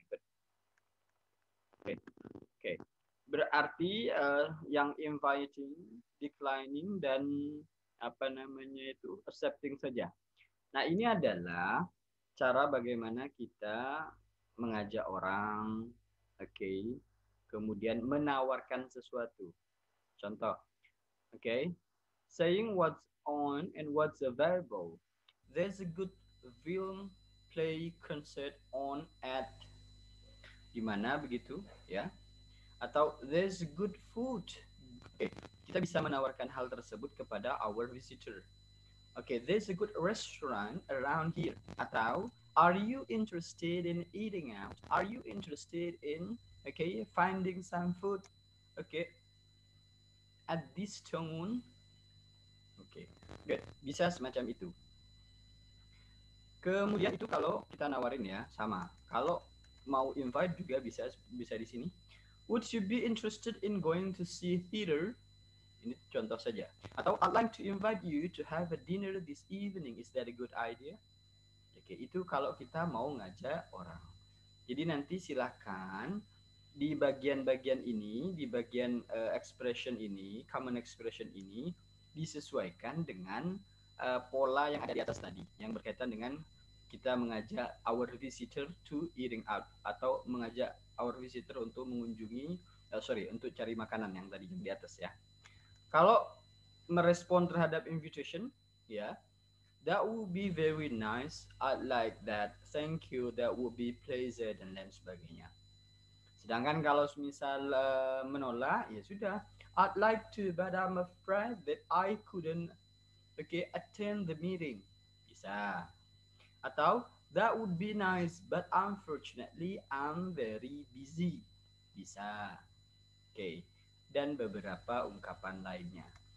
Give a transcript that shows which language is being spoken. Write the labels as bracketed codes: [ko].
[id] Oke. Okay. Okay. Berarti yang inviting, declining, dan apa namanya itu, accepting saja. Nah, ini adalah cara bagaimana kita mengajak orang, oke, okay, kemudian menawarkan sesuatu. [en] Contoh, oke, okay, saying what's on and what's available. There's a good film play concert on at, [id] gimana begitu, ya? [en] Atau there's good food. Okay. [id] Kita bisa menawarkan hal tersebut kepada [en] our visitor. Okay, there's a good restaurant around here. Atau are you interested in eating out? Are you interested in, okay, finding some food? Okay. At this tone. Okay. Good. [id] Bisa semacam itu. Kemudian itu kalau kita nawarin ya, sama. Kalau mau invite juga bisa, bisa di sini. [en] Would you be interested in going to see theater? [id] Ini contoh saja. [en] Atau I'd like to invite you to have a dinner this evening. Is that a good idea? Oke, okay, [id] itu kalau kita mau ngajak orang. Jadi nanti silakan di bagian-bagian ini, di bagian expression ini, common expression ini disesuaikan dengan pola yang ada di atas tadi yang berkaitan dengan kita mengajak [en] our visitor to eating out [id] atau mengajak [en] our visitor [id] untuk mengunjungi, sorry, untuk cari makanan yang tadi di atas ya. Kalau merespon terhadap invitation, ya, [en] that would be very nice, I'd like that, thank you, that would be pleasure, [id] dan lain sebagainya. Sedangkan kalau misal menolak, ya sudah, [en] I'd like to, but I'm afraid that I couldn't, okay, attend the meeting. Bisa. Atau, that would be nice, but unfortunately, I'm very busy. [id] Bisa. Okay. Dan beberapa ungkapan lainnya.